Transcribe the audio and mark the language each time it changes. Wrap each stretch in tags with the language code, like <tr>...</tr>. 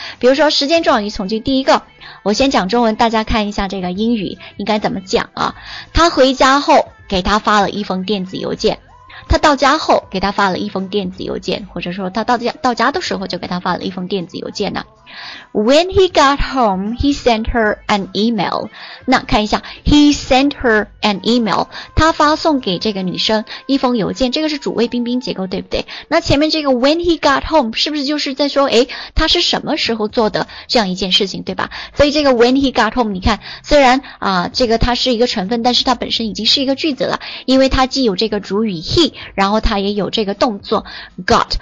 <zh>比如说时间状语从句，第一个我先讲中文，大家看一下这个英语应该怎么讲啊。他回家后给他发了一封电子邮件，他到家后给他发了一封电子邮件，或者说他到家的时候就给他发了一封电子邮件呢。</zh> <en>When he got home, he sent her an email.</en> <zh>那看一下 ,</zh> <en>he sent her an email.</en> <zh>他发送给这个女生一封邮件，这个是主谓宾宾结构，对不对？那前面这个</zh> <en>when he got home,</en> <zh>是不是就是在说他是什么时候做的这样一件事情，对吧？所以这个</zh> <en>when he got home,</en> <zh>你看虽然这个它是一个成分，但是它本身已经是一个句子了，因为它既有这个主语 he, 然后它也有这个动作 got。</zh>